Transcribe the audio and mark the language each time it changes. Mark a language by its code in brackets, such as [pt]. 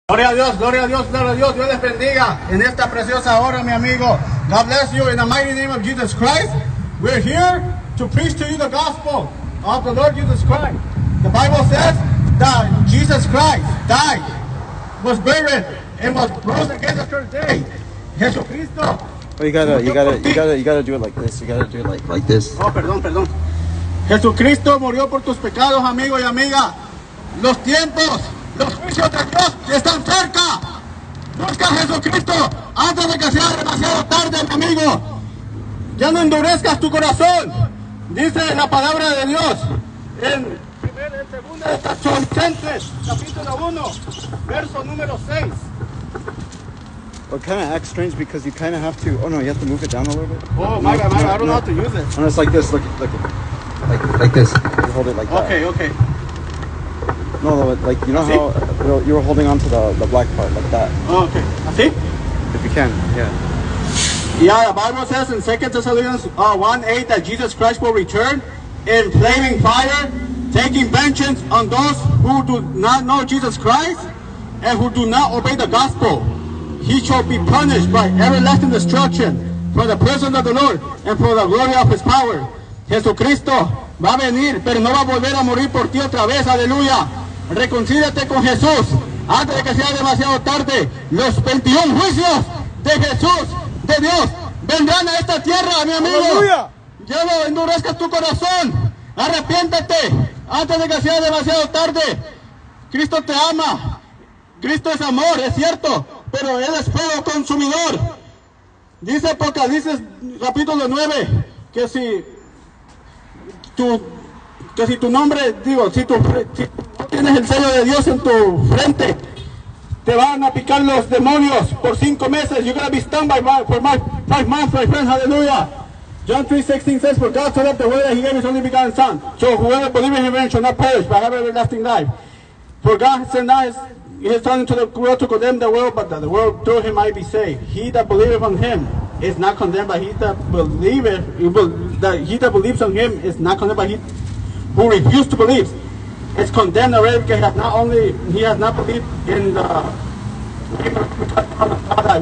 [es] gloria a Dios, Dios les bendiga en esta preciosa hora, mi amigo. [en] God bless you in the mighty name of Jesus Christ. We're here to preach to you the gospel of the Lord Jesus Christ. The Bible says that Jesus Christ died, was buried, and was rose again the third day. [es] Jesucristo. [en] You gotta do it like this. [es] Oh, perdón. Jesucristo murió por tus pecados, amigo y amiga. Los tiempos, los juicios de Dios están cerca. Busca a Jesucristo antes de que sea demasiado tarde, mi amigo. Ya no endurezcas tu corazón. Dice la palabra de Dios en 2 Corintios, capítulo 1, verso número 6. [en] But kind of acts strange because you kind of have to. Oh no, you have to move it down a little bit. I don't know how to use it. And it's like this. Look, like this. You hold it like that. Okay. No, like you know how you were holding on to the black part like that. Oh, okay. See? If you can, yeah. Yeah, the Bible says in 2 Thessalonians 1:8 that Jesus Christ will return in flaming fire, taking vengeance on those who do not know Jesus Christ and who do not obey the gospel. He shall be punished by everlasting destruction for the presence of the Lord and for the glory of his power. [es] Jesucristo va a venir, pero no va a volver a morir por ti otra vez. Aleluya. Reconcíliate con Jesús antes de que sea demasiado tarde. Los 21 juicios de Jesús, de Dios, vendrán a esta tierra, mi amigo. Aleluya. Ya no endurezcas tu corazón. Arrepiéntete antes de que sea demasiado tarde. Cristo te ama. Cristo es amor, es cierto. Pero él es fuego consumidor. Dice Apocalipsis capítulo 9 que si tu nombre, si tú tienes el sello de Dios en tu frente, te van a picar los demonios por 5 meses. [en] You're gonna be stung by my friends. Aleluya. John 3:16 says, for God so loved the world that he gave his only begotten son, so whoever believes in him shall not perish but have everlasting life. For God sent us his son into the world to condemn the world, but that the world through him might be saved. He that believeth on him is not condemned, but he who refused to believe is condemned already, because he has not believed in the God.